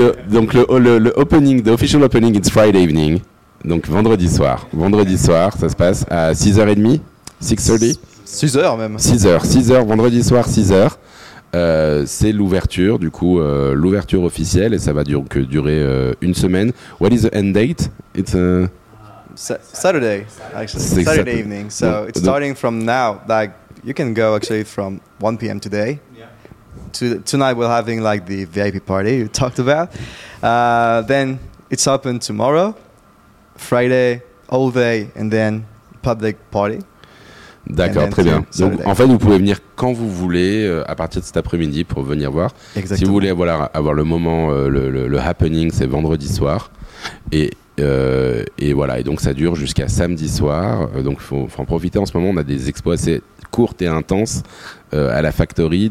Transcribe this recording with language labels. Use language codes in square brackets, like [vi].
[fr] Donc le opening, [en] the official opening, it's Friday evening. [fr] Donc vendredi soir. Vendredi soir, ça se passe à 6h30, 6h30. 6h même. 6h, vendredi soir, 6h. c'est l'ouverture, du coup, l'ouverture officielle, et ça va donc durer une semaine. [en] What is the end date? It's a Saturday, actually. Saturday evening. So it's starting from now. Like, you can go actually from 1 p.m. today. Tonight we're having like the VIP party you talked about. Then it's open tomorrow, Friday, all day, and then public party. [fr] D'accord, très bien. Donc, en fait, vous pouvez venir quand vous voulez, à partir de cet après-midi, pour venir voir. Exactement. Si vous voulez voilà, avoir le moment, le happening, c'est vendredi soir. Et voilà, et donc ça dure jusqu'à samedi soir. Donc, il faut en profiter. En ce moment, on a des expos assez courtes et intenses à la Factory.